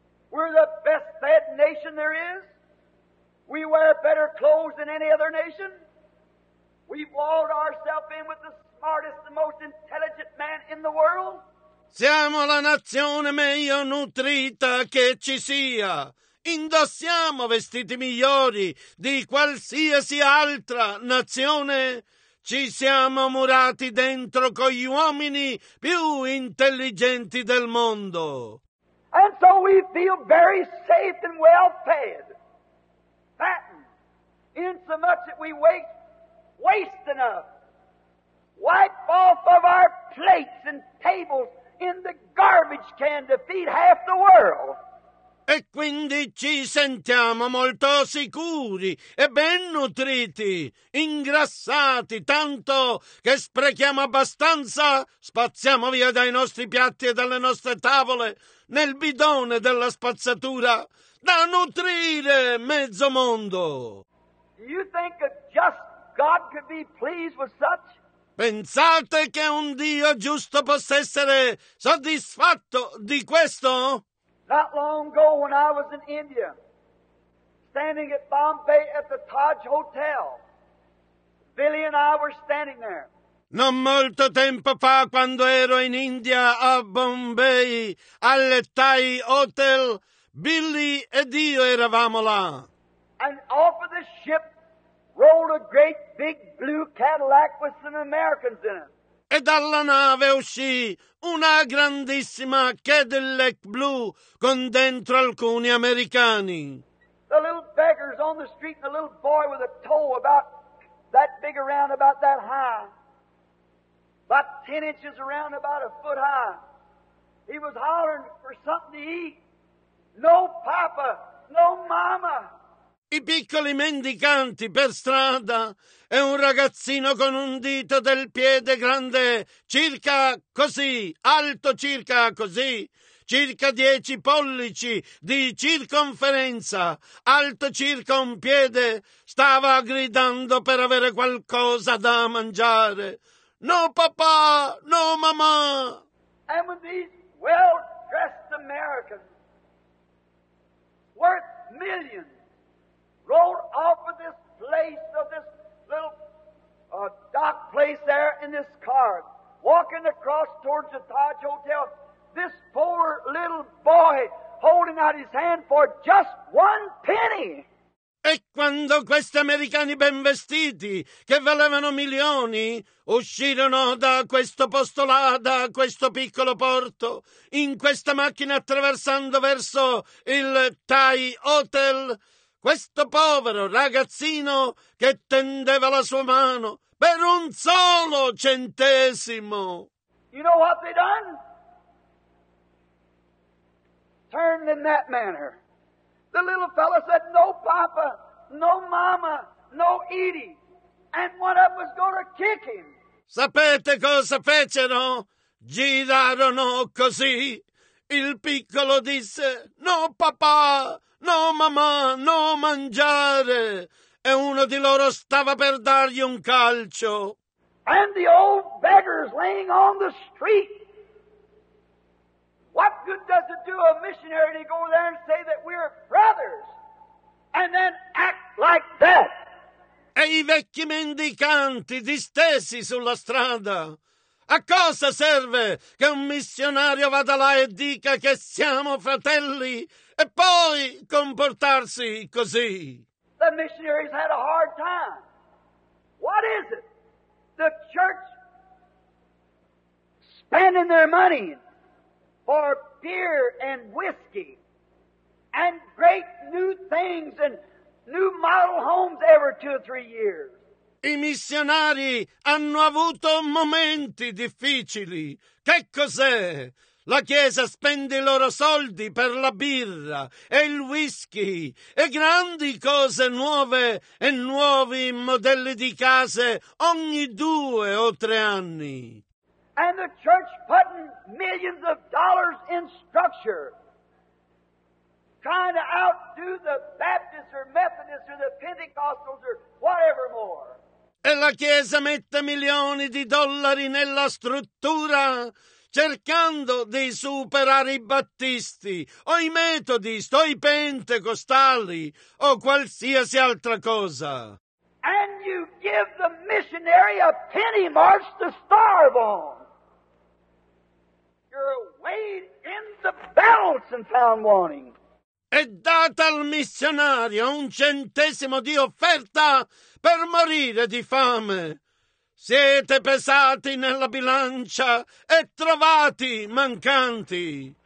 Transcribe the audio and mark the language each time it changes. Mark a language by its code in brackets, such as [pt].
[en] We're the best fed nation there is. We wear better clothes than any other nation. We've walled ourselves in with the smartest, the most intelligent man in the world. [it] Siamo la nazione meglio nutrita che ci sia. Indossiamo vestiti migliori di qualsiasi altra nazione. Ci siamo murati dentro con gli uomini più intelligenti del mondo. [en] And so we feel very safe and well fed. Fattened. In so much that we waste enough. Wipe off of our plates and tables in the garbage can to feed half the world. [it] E quindi ci sentiamo molto sicuri e ben nutriti, ingrassati, tanto che sprechiamo abbastanza, spazziamo via dai nostri piatti e dalle nostre tavole, nel bidone della spazzatura, da nutrire mezzo mondo. [en] You think a just God could be pleased with such? [it] Pensate che un Dio giusto possa essere soddisfatto di questo? [en] Not long ago when I was in India, standing at Bombay at the Taj Hotel, Billy and I were standing there. [it] Non molto tempo fa, quando ero in India a Bombay, al Taj Hotel, Billy ed io eravamo là. [en] And off of the ship rolled a great big blue Cadillac with some Americans in it. [it] E dalla nave uscì una grandissima Cadillac blu con dentro alcuni americani. [en] The little beggars on the street and the little boy with a toe about that big around, about that high, about 10 inches around, about a foot high. He was hollering for something to eat. No papa, no mama. [it] I piccoli mendicanti per strada e un ragazzino con un dito del piede grande, circa così, alto circa così, circa 10 pollici di circonferenza, alto circa un piede, stava gridando per avere qualcosa da mangiare. No papà, no mamma! [en] And with these well-dressed Americans, worth millions, rolled off of this place, of this little dock place there in this car, walking across towards the Taj Hotel, this poor little boy holding out his hand for just one penny. [it] E quando questi americani ben vestiti, che valevano milioni, uscirono da questo posto là, da questo piccolo porto, in questa macchina attraversando verso il Thai Hotel, questo povero ragazzino che tendeva la sua mano per un solo centesimo. [en] You know what they done? Turned in that manner. The little fella said, no papa, no mama, no Edie. And one of them was going to kick him. [it] Sapete cosa fecero? Girarono così. Il piccolo disse, no papà, no mamma, no mangiare. E uno di loro stava per dargli un calcio. [en] And the old beggars laying on the street. What good does it do a missionary to go there and say that we're brothers and then act like that? [it] E i vecchi mendicanti distesi sulla strada. A cosa serve che un missionario vada là e dica che siamo fratelli e poi comportarsi così? [en] The missionaries had a hard time. What is it? The church spending their money for beer and whiskey and great new things and new model homes every two or three years. [it] I missionari hanno avuto momenti difficili. Che cos'è? La Chiesa spende i loro soldi per la birra e il whisky e grandi cose nuove e nuovi modelli di case ogni due o tre anni. [en] And the church putting millions of dollars in structure, trying to outdo the Baptists or Methodists or the Pentecostals or whatever more. [it] E la Chiesa mette milioni di dollari nella struttura cercando di superare i battisti o i metodisti o i pentecostali o qualsiasi altra cosa. [en] And you give the missionary a penny march to starve on. You're weighed in the balance and found wanting. [it] E data al missionario un centesimo di offerta per morire di fame. Siete pesati nella bilancia e trovati mancanti.